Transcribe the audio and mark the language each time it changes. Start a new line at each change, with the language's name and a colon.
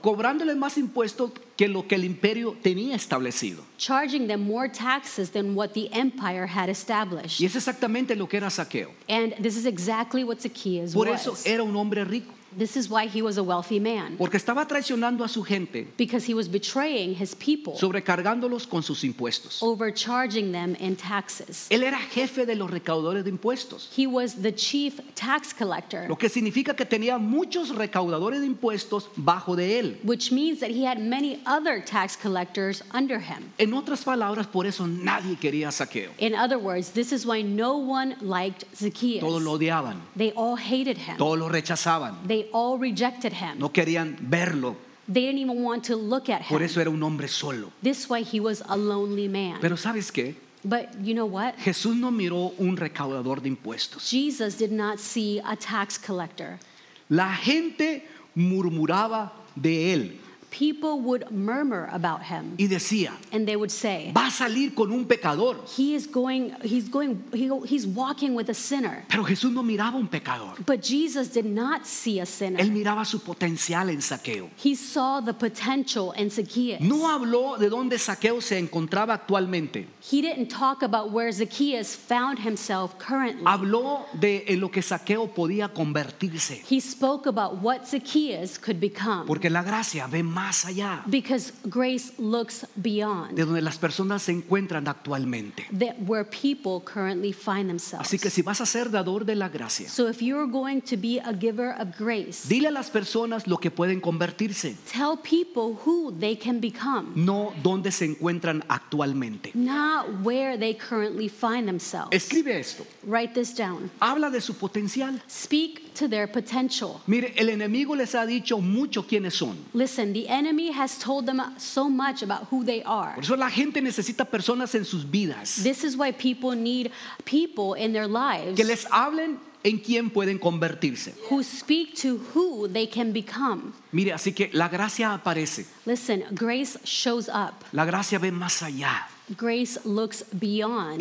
Spanish: Cobrándole más impuestos que lo que el imperio tenía establecido.
English: Charging them more taxes than what the empire had established.
Spanish: Y es exactamente lo que era Zaqueo.
English: And this is exactly what Zacchaeus was.
Spanish: Por eso era un hombre rico.
English: This is why he was a wealthy man.
Spanish: Porque estaba traicionando a su gente.
English: Because he was betraying his people.
Spanish: Sobrecargándolos con sus impuestos.
English: Overcharging them in taxes.
Spanish: Él era jefe de los recaudadores de impuestos.
English: He was the chief tax collector.
Spanish: Lo que significa que tenía muchos recaudadores de impuestos bajo de él.
English: Which means that he had many other tax collectors under him.
Spanish: En otras palabras, por eso nadie quería a Zaqueo.
English: In other words, this is why no one liked Zacchaeus.
Spanish: Todos lo odiaban.
English: They all hated him.
Spanish: Todos lo rechazaban.
English: They all rejected him.
Spanish: No querían verlo.
English: They didn't even want to look at him.
Spanish: Por eso era un hombre solo.
English: This way he was a lonely man.
Spanish: Pero ¿sabes qué?
English: But you know what?
Spanish: Jesús no miró un recaudador de impuestos.
English: Jesus did not see a tax collector.
Spanish: La gente murmuraba de él.
English: People would murmur about him.
Spanish: Y decía,
English: and they would say,
Spanish: va a salir con un pecador.
English: He's walking with a sinner.
Spanish: Pero Jesús no miraba un pecador.
English: But Jesus did not see a sinner.
Spanish: Él miraba su potencial en Zaqueo.
English: He saw the potential in Zacchaeus.
Spanish: No habló de dónde Zaqueo se encontraba actualmente.
English: He didn't talk about where Zacchaeus found himself currently.
Spanish: Habló de en lo que Zaqueo podía convertirse.
English: He spoke about what Zacchaeus could become.
Spanish: Porque la gracia ve más allá.
English: Because grace looks beyond.
Spanish: De donde las personas se encuentran actualmente.
English: Where people currently find themselves.
Spanish: Así que si vas a ser dador de la gracia.
English: So if you're going to be a giver of grace.
Spanish: Dile a las personas lo que pueden convertirse.
English: Tell people who they can become.
Spanish: No donde se encuentran actualmente.
English: Not where they currently find themselves.
Spanish: Escribe esto.
English: Write this down.
Spanish: Habla de su potencial.
English: Speak to their potential.
Spanish: Mire, el enemigo les ha dicho mucho quiénes son.
English: Listen, the enemy has told them so much about who they are.
Spanish: Por eso la gente necesita personas en sus vidas.
English: This is why people need people in their lives.
Spanish: Que les hablen en quién pueden convertirse.
English: Who speak to who they can become.
Spanish: Mire, así que la gracia aparece.
English: Listen, grace shows up.
Spanish: La gracia ve más allá.
English: Grace looks beyond.